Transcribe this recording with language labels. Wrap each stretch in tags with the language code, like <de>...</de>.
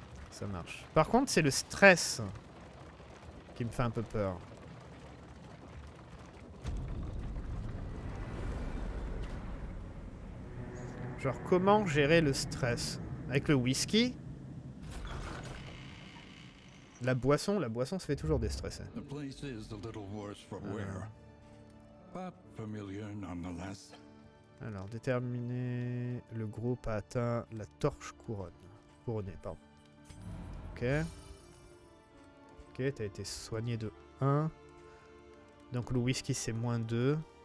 <fr>Ça marche. Par contre, c'est le stress qui me fait un peu peur. Genre, comment gérer le stress? Avec le whisky? La boisson se fait toujours déstresser.</fr> <en>The place is a little worse for wear. But familiar nonetheless.</en> <fr>Alors, déterminer le groupe a atteint la torche couronne. Couronnée, pardon. Ok. Ok, t'as été soigné de 1. Donc le whisky, c'est moins 2.</fr>